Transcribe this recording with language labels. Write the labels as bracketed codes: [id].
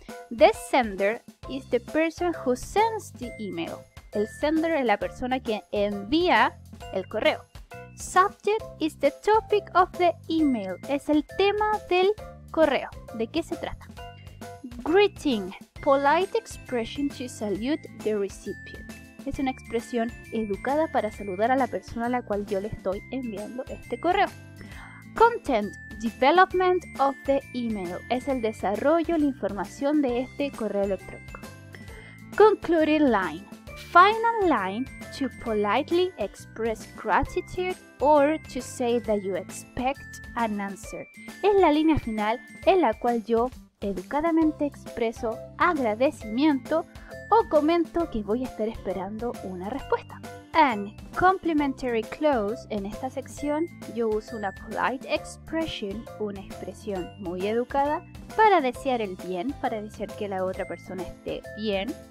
[en] The sender is the person who sends the email. [es] El sender es la persona que envía el correo. [en] Subject is the topic of the email. [es] Es el tema del correo. ¿De qué se trata? Greeting. [en] Polite expression to salute the recipient. [es] Es una expresión educada para saludar a la persona a la cual yo le estoy enviando este correo. Content. [en] Development of the email. [es] Es el desarrollo, la información de este correo electrónico. [en] Concluding line. Final line to politely express gratitude or to say that you expect an answer. [es] Es la línea final en la cual yo educadamente expreso agradecimiento o comento que voy a estar esperando una respuesta. [en] And complimentary close. [es] En esta sección yo uso una [en] polite expression, [es] una expresión muy educada, para desear el bien, para decir que la otra persona esté bien.